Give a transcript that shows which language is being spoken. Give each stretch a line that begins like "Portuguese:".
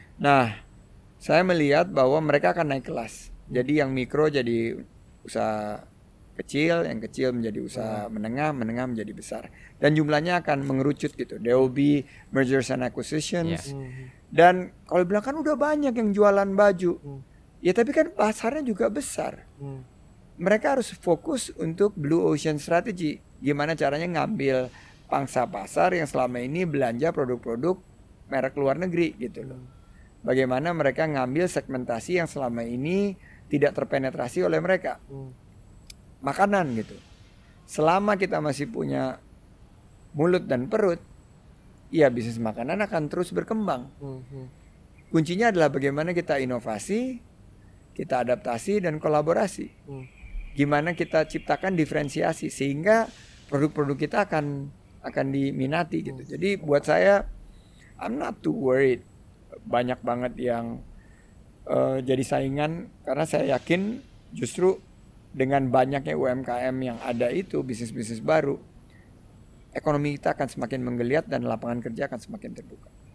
Indonesian: Nah saya melihat bahwa mereka akan naik kelas. Jadi yang mikro jadi usaha kecil, yang kecil menjadi usaha menengah, menengah menjadi besar. Dan jumlahnya akan mengerucut gitu.
English: There will be mergers and acquisitions.
Indonesian: Dan kalau bilang kan udah banyak yang jualan baju. Ya tapi kan pasarnya juga besar. Mereka harus fokus untuk blue ocean strategy. Gimana caranya ngambil pangsa pasar yang selama ini belanja produk-produk merek luar negeri gitu loh. Bagaimana mereka ngambil segmentasi yang selama ini tidak terpenetrasi oleh mereka. Makanan gitu. Selama kita masih punya mulut dan perut, ya bisnis makanan akan terus berkembang. Kuncinya adalah bagaimana kita inovasi, kita adaptasi dan kolaborasi. Gimana kita ciptakan diferensiasi sehingga produk-produk kita akan diminati gitu. Jadi buat saya,
English: I'm not too worried.
Indonesian: Banyak banget yang jadi saingan, karena saya yakin justru dengan banyaknya UMKM yang ada itu, bisnis-bisnis baru, ekonomi kita akan semakin menggeliat dan lapangan kerja akan semakin terbuka.